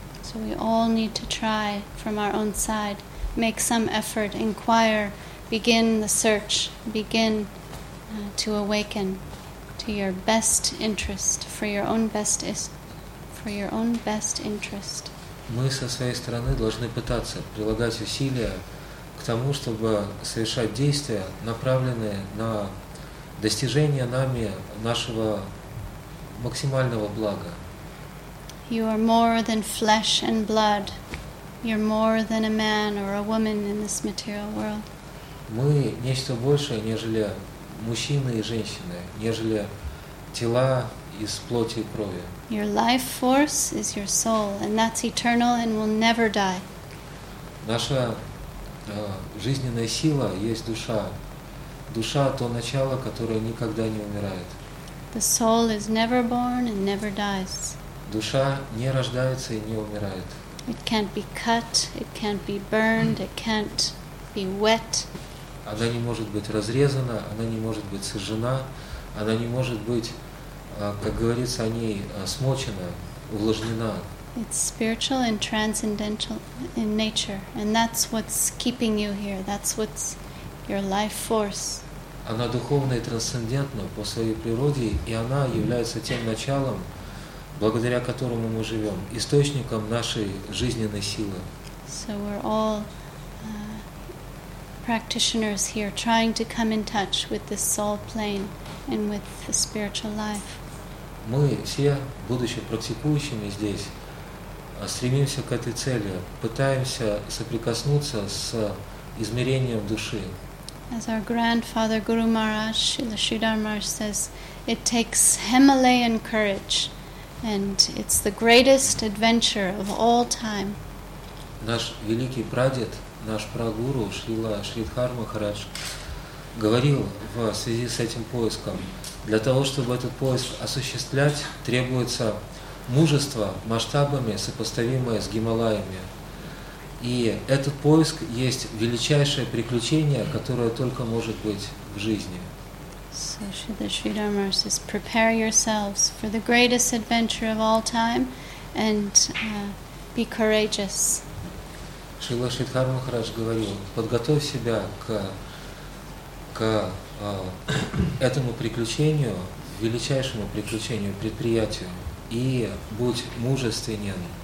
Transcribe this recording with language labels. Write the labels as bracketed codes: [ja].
[en] So we all need to try from our own side, make some effort, inquire, begin the search, begin to awaken to your best interest, for your own best interest. [ru] Мы со своей стороны должны пытаться прилагать усилия к тому, чтобы совершать действия, направленные на достижение нами нашего максимального блага. [en] You are more than flesh and blood. You're more than a man or a woman in this material world. [ru] Мы нечто большее, нежели мужчины и женщины, нежели тела из плоти и крови. [en] Your life force is your soul, and that's eternal and will never die. [ru] Наша жизненная сила есть душа. Душа — то начало, которое никогда не умирает. [en] The soul is never born and never dies. [ru] Душа не рождается и не умирает. [en] It can't be cut, it can't be burned, it can't be wet. [ru] Она не может быть разрезана, она не может быть сожжена, она не может быть, как говорится о ней, смочена, увлажнена. [en] It's spiritual and transcendental in nature, and that's what's keeping you here, that's what's your life force. [ru] Она духовна и трансцендентна по своей природе, и она является тем началом, благодаря которому мы живем, источником нашей жизненной силы. [en] So we're all practitioners here trying to come in touch with the soul plane and with the spiritual life. [ru] Мы все, будучи практикующими здесь, стремимся к этой цели, пытаемся соприкоснуться с измерением души. [en] As our grandfather Guru Maharaj, Srila Sridhar Maharaj says, it takes Himalayan courage. And it's the greatest adventure of all time. [ru] Наш великий прадед, наш прагуру Шрила Шридхар Махарадж говорил в связи с этим поиском, для того, чтобы этот поиск осуществлять, требуется мужество масштабами, сопоставимое с Гималаями. И этот поиск есть величайшее приключение, которое только может быть в жизни. [en] So Shri Sridhar Maharaj says, prepare yourselves for the greatest adventure of all time and be courageous. [ru] Шрила Шридхар Махарадж говорил, подготовь себя к этому приключению, величайшему приключению, предприятию, и будь мужественен.